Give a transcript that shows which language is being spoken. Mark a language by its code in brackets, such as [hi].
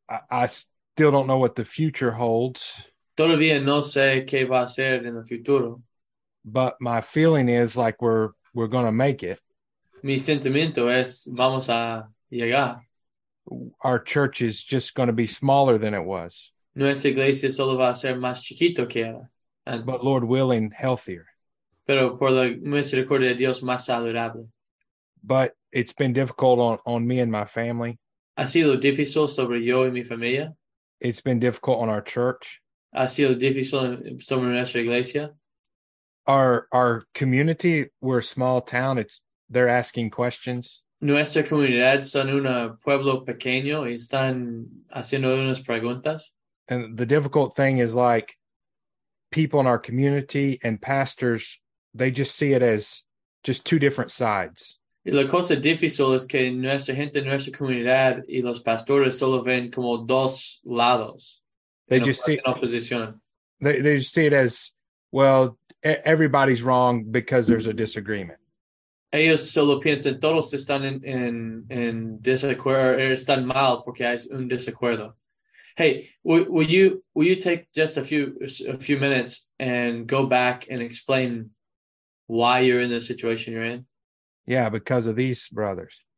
[en] I still don't know what the future holds, [es] Todavía no sé qué va a ser en el futuro. [en] but my feeling is like we're going to make it. [es] Mi sentimiento es vamos a llegar. [en] Our church is just going to be smaller than it was, [es] Nuestra iglesia solo va a ser más chiquito que era [en] but [es] antes. [en] Lord willing, healthier. [es] Pero por la misericordia de Dios, más saludable. [en] But it's been difficult on me and my family. [es] ¿Ha sido difícil sobre yo y mi familia? [en] It's been difficult on our church. [es] ¿Ha sido difícil sobre nuestra iglesia? [en] Our community, we're a small town. They're asking questions. [es] ¿Nuestra comunidad son un pueblo pequeño y están haciendo unas preguntas? [en] And the difficult thing is like people in our community and pastors, they just see it as just two different sides. [es] La cosa difícil es que nuestra gente, nuestra comunidad y los pastores solo ven como dos lados [en] They [es] en [en] just see [es] oposición. [en] it as, well, everybody's wrong because there's a disagreement. [es] Ellos solo piensan todos están en desacuerdo, están mal porque hay un desacuerdo. [en] Hey, will you take just a few minutes and go back and explain why you're in the situation you're in? Yeah, because of these brothers.